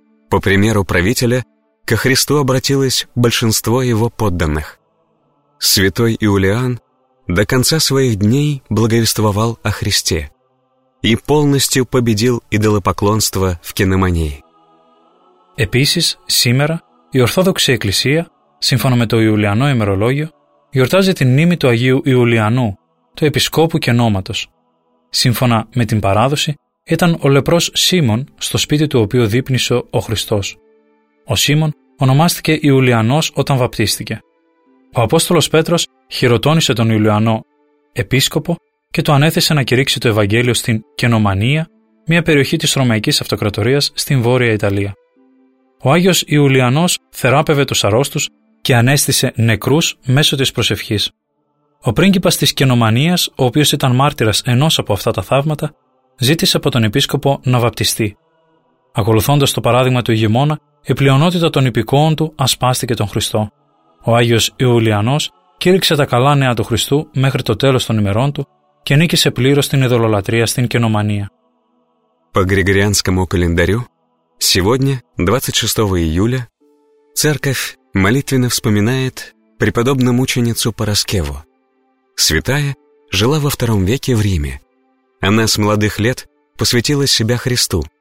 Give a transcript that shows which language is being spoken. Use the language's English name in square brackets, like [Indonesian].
[Russian] По примеру правителя, ко Христу обратилось большинство его подданных. Святой Иулиан до конца своих дней благовествовал о Христе и полностью победил идолопоклонство в Киномонии. [Greek] Επίσης, σήμερα, η Ορθόδοξη Εκκλησία, σύμφωνα με το Ιουλιανό ημερολόγιο, γιορτάζει την μνήμη του Αγίου Ιουλιανού, του Επισκόπου και Νόματος. Σύμφωνα με την παράδοση, ήταν ο λεπρός Σίμων στο σπίτι του οποίου δείπνησε ο Χριστός. Ο Σίμων ονομάστηκε Ιουλιανός όταν βαπτίστηκε. Ο Απόστολος Πέτρος χειροτώνησε τον Ιουλιανό επίσκοπο και του ανέθεσε να κηρύξει το Ευαγγέλιο στην Κενομανία, μια περιοχή της Ρωμαϊκής Αυτοκρατορίας στην Βόρεια Ιταλία. Ο Άγιος Ιουλιανός θεράπευε τους αρρώστους και ανέστησε νεκρούς μέσω της προσευχής. Ο πρίγκιπας της Κενομανίας, ο οποίος ήταν μάρτυρας ενός από αυτά τα θαύματα, ζήτησε από τον επίσκοπο να βαπτιστεί. Ακολουθώντας το παράδειγμα του ηγεμόνα, η πλειονότητα των υπηκόων του ασπάστηκε τον Χριστό. Ο Άγιος Ιουλιανός κήρυξε τα καλά νέα του Χριστού μέχρι το τέλος των ημερών του και νίκησε πλήρως την ειδωλολατρία στην Κενομανία. [Russian] По Григорианскому календарю, сегодня, 26 июля, церковь молитвенно вспоминает преподобную мученицу Параскеву. Святая жила во II веке в Риме. Она с молодых лет посвятила себя Христу.